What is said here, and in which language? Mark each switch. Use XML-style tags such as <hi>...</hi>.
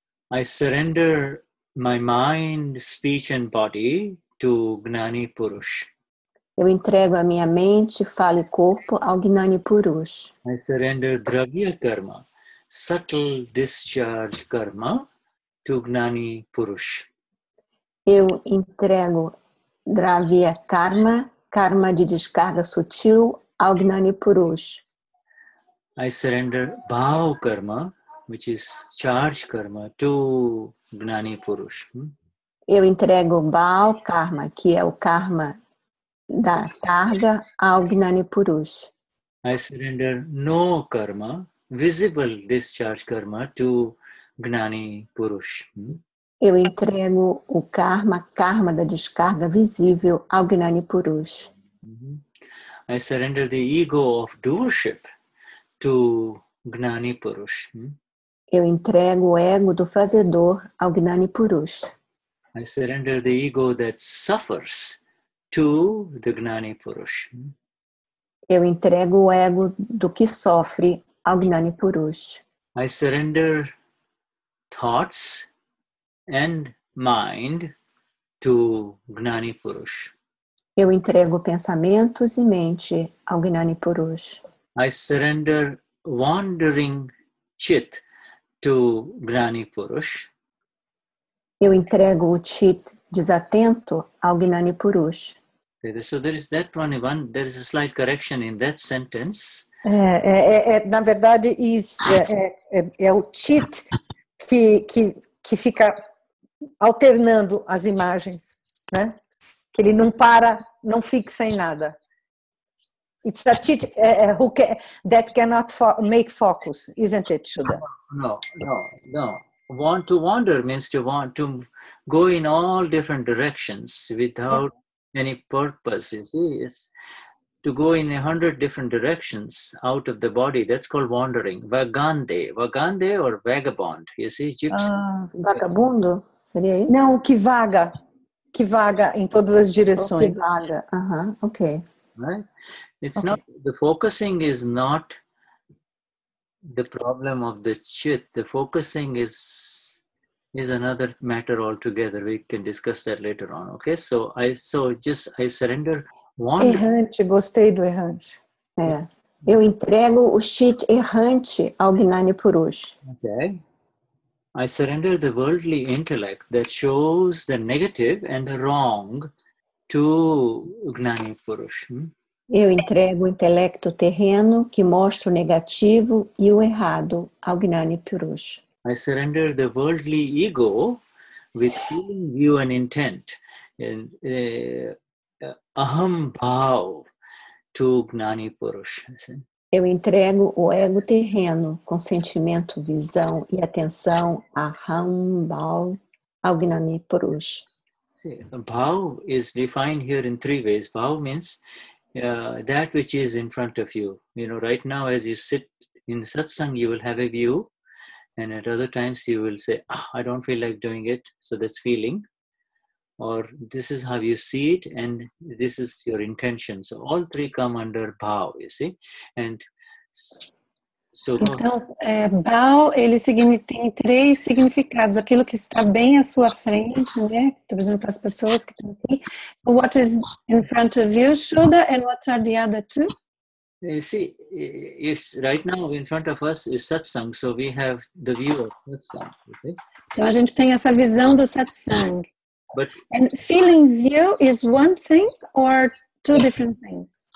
<en>I surrender my mind, speech and body to Gnani Purush.</en> <pt>Eu entrego a minha mente, fala e corpo ao Gnani Purush.</pt> <en>I surrender dravya karma, subtle discharge karma to Gnani Purush.</en> <pt>Eu entrego dravya karma, karma de descarga sutil ao Gnani Purush.</pt> <en>I surrender bhav karma, which is charge karma, to Gnani Purush.</en> <pt>Eu entrego bhav karma, que é o karma da carga, ao Gnani Purush.</pt> <en>I surrender no karma, visible discharge karma, to Gnani Purush.</en> <pt>Eu entrego o karma, karma da descarga visível, ao Gnani Purush.</pt> <en>I surrender the ego of doership to Gnani Purush.</en> <pt>Eu entrego o ego do fazedor ao Gnani Purush.</pt> <en>I surrender the ego that suffers to the Gnani Purush.</en> <pt>Eu entrego o ego do que sofre ao Gnani Purush.</pt> <en>I surrender thoughts and mind to Gnani Purush.</en> <pt>Eu entrego pensamentos e mente ao Gnani Purush.</pt> <en>I surrender wandering chit to Gnani Purush.</en> <pt>Eu entrego o chit desatento ao Gnani Purush.</pt> <en>So there is that one, there is a slight correction in that sentence.</en> <pt>Na verdade, é o chit que fica alternando as imagens, né? Que ele não para, não fixa em nada.</pt> <en>It's the chit that cannot make focus, isn't it, Shuddha? No. Want to wander means to want to go in all different directions without any purpose. You see, it's to go in 100 different directions out of the body. That's called wandering. Vagande. Vagande or vagabond. You see, gypsy.</en> <pt>Vagabundo? Seria isso? Não, que vaga. Que vaga em todas as direções. Que vaga. Uh-huh. Ok.</pt> <en>Right? It's okay. Not, the focusing is not the problem of the chit. The focusing is another matter altogether. We can discuss that later on. Okay? So I surrender one.</en> <pt>Errante, gostei do errante. É. Eu entrego o chit errante ao Gnani Purush.</pt> <en>Okay. I surrender the worldly intellect that shows the negative and the wrong to Gnani Purush.</en> <pt>Eu entrego o intelecto terreno que mostra o negativo e o errado ao Gnani Purush.</pt> <en>I surrender the worldly ego with feeling, view and intent and aham bhav to Gnani Purush.</en> <pt>Eu entrego o ego terreno com sentimento, visão e atenção a aham bhav ao Gnani Purush.</pt> <en>Bhav is defined here in three ways. Bhav means that which is in front of you. You know, right now as you sit in satsang, you will have a view. And at other times you will say, I don't feel like doing it. So that's feeling. Or this is how you see it and this is your intention. So all three come under bhav, you see. And so...</en> <pt>Então, bhav, ele tem três significados. Aquilo que está bem à sua frente, né? Por exemplo, as pessoas que estão aqui.</pt> <en>So what is in front of you, Shuddha, and what are the other two? You see, it's right now in front of us is satsang. So we have the view of satsang, okay?</en> <pt>Então a gente tem essa visão do satsang.</pt> <en>But and feeling view is one thing or two different things?</en>